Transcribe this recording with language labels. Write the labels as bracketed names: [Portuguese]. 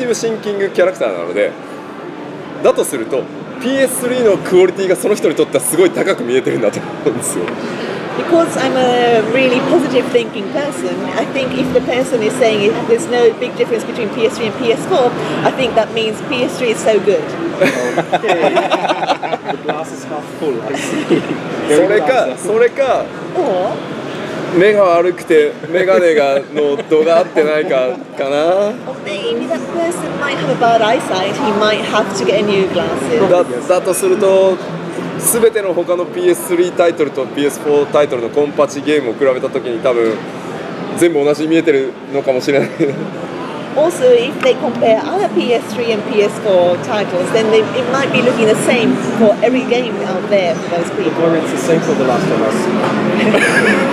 [Japanese] 全然違いますよ。僕、すっごい、まず、ポジティブシンキングキャラクターなので、だとすると、 PS3 のクオリティがその人にとってはすごい高く見えてるんだと思うんですよ。 [English] Because I'm a really positive thinking person, I think if the person is saying it, there's no big difference between PS3 and PS4, I think that means PS3 is so good. Okay. The glass is half full, I see. [Japanese] それか、目が悪くて、メガネの度が合ってないかかな。 [English] Maybe that person might have a bad eyesight, he might have to get a new glasses. [Japanese] だとすると、 全ての他の PS3 タイトルと PS4 タイトルのコンパチゲームを比べた時に多分全部同じに見えてるのかもしれない。 [English] Also, if they compare other PS3 and PS4 titles, then they, it might be looking the same for every game out there for those people. Or it's the same for The Last of Us.